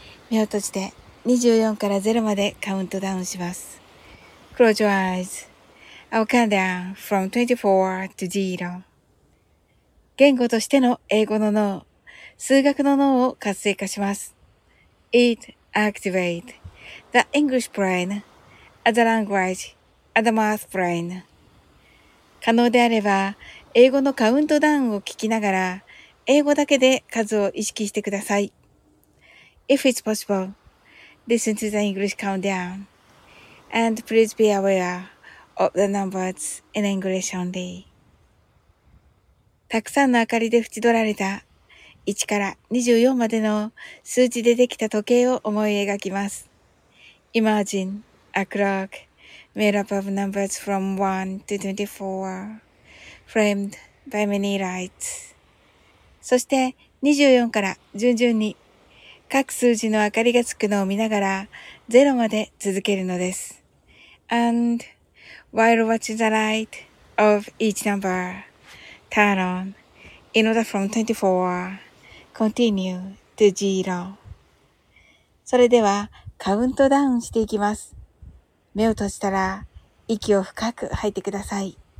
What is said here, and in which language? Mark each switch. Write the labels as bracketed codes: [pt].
[ja] 目を閉じて24から0までカウントダウンします。 [en] Close your eyes. I'll count down from 24 to 0. [ja] 言語としての英語の脳、数学の脳を活性化します。 [en] It activate. The English brain, as a language, as a math brain. [ja] 可能であれば、英語のカウントダウンを聞きながら、英語だけで数を意識してください。 [en] If it's possible, listen to the English countdown. And please be aware of the numbers in English only. [ja] たくさんの明かりで縁取られた、1から24までの数字でできた時計を思い描きます。 [en] Imagine a clock made up of numbers from 1 to 24, framed by many lights. [ja] そして24から順々に各数字の明かりがつくのを見ながら0まで続けるのです。 [en] And while watching the light of each number, turn on in order from 24, continue to 0. [ja] それではカウントダウンしていきます。目を閉じたら息を深く吐いてください。